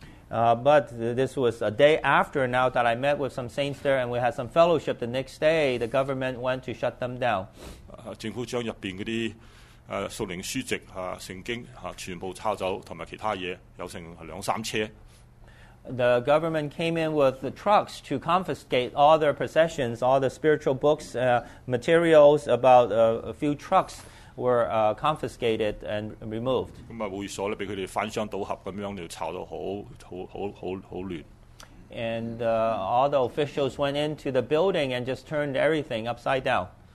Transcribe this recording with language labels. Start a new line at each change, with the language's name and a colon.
English: But this was a day after now that I met with some saints there and we had some fellowship. The next day, the government went to shut them down.
Chinese: 政府將裡面的屬靈書籍、聖經全部抄走，還有其他東西，有成兩三車。
English: The government came in with the trucks to confiscate all their possessions, all the spiritual books, materials, about a few trucks were confiscated and removed.
Chinese: 會所被他們翻箱倒盒地抄得很亂。
English: And all the officials went into the building and just turned everything upside down.